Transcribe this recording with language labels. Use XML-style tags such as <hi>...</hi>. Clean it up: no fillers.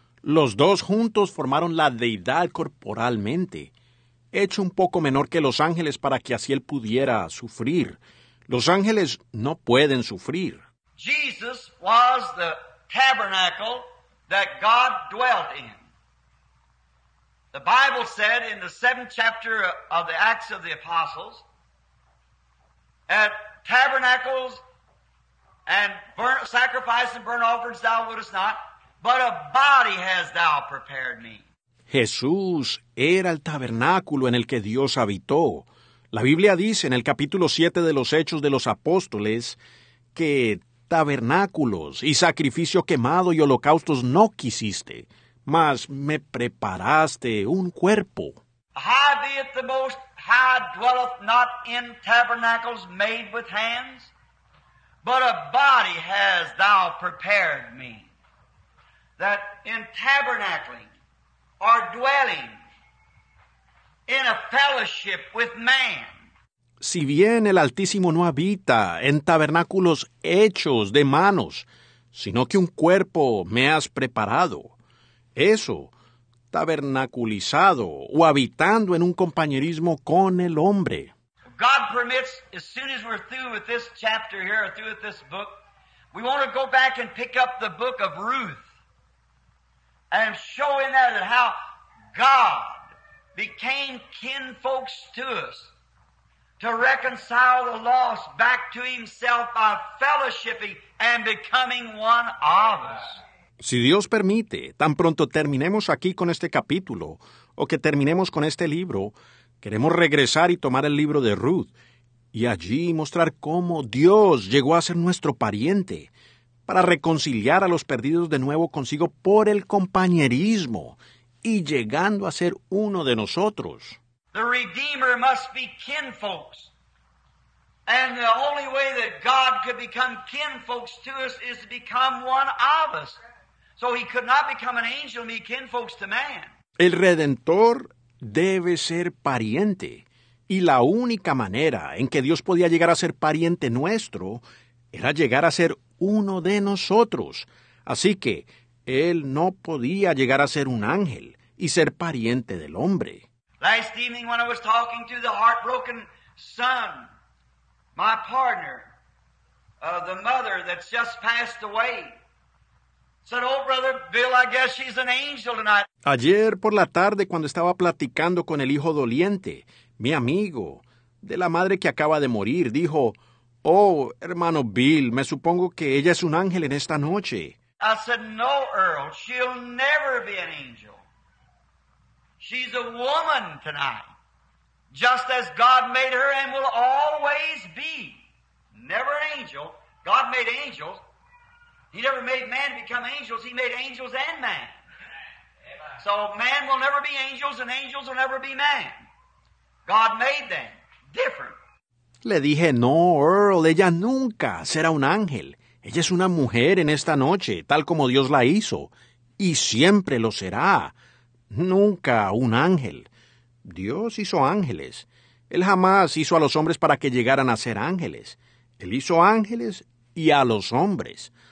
<es>Los dos juntos formaron la deidad corporalmente, hecho un poco menor que los ángeles para que así él pudiera sufrir. Los ángeles no pueden sufrir.</es> <en>Jesus was the tabernacle that God dwelt in. The Bible said in the 7th chapter of the Acts of the Apostles, at tabernacles and burnt sacrifice and burnt offerings thou wouldest not, but a body hast thou prepared me.</en> <es>Jesús era el tabernáculo en el que Dios habitó. La Biblia dice en el capítulo 7 de los Hechos de los Apóstoles que tabernáculos y sacrificio quemado y holocaustos no quisiste, mas me preparaste un cuerpo.</es> <en>High be it the Most High dwelleth not in tabernacles made with hands, but a body hast thou prepared me. That in tabernacling, or dwelling, in a fellowship with man.</en> <es>Si bien el Altísimo no habita en tabernáculos hechos de manos, sino que un cuerpo me has preparado, eso, tabernaculizado o habitando en un compañerismo con el hombre.</es> <en>God permits, as soon as we're through with this chapter here, or through with this book, we want to go back and pick up the book of Ruth and show in that how God became kinfolks to us. To reconcile the lost back to himself by fellowshipping and becoming one of us.</en> <es>Si Dios permite, tan pronto terminemos aquí con este capítulo, o que terminemos con este libro, queremos regresar y tomar el libro de Ruth, y allí mostrar cómo Dios llegó a ser nuestro pariente, para reconciliar a los perdidos de nuevo consigo por el compañerismo, y llegando a ser uno de nosotros.</es> <en>The Redeemer must be kinfolks. And the only way that God could become kinfolks to us is to become one of us. So he could not become an angel and be kinfolks to man.</en> <es>El Redentor debe ser pariente. Y la única manera en que Dios podía llegar a ser pariente nuestro era llegar a ser uno de nosotros. Así que él no podía llegar a ser un ángel y ser pariente del hombre.</es> <en>Last evening when I was talking to the heartbroken son, my partner, the mother that's just passed away, said, oh, Brother Bill, I guess she's an angel tonight.</en> <es>Ayer por la tarde cuando estaba platicando con el hijo doliente, mi amigo, de la madre que acaba de morir, dijo, oh, hermano Bill, me supongo que ella es un ángel en esta noche.</es> <en>I said, no, Earl, she'll never be an angel. She's a woman tonight, just as God made her and will always be. Never an angel. God made angels. He never made man become angels. He made angels and man. So man will never be angels and angels will never be man. God made them different.</en> <es>Le dije, no, Earl, ella nunca será un ángel. Ella es una mujer en esta noche, tal como Dios la hizo, y siempre lo será. Nunca un ángel. Dios hizo ángeles. Él jamás hizo a los hombres para que llegaran a ser ángeles. Él hizo ángeles y a los hombres.</es>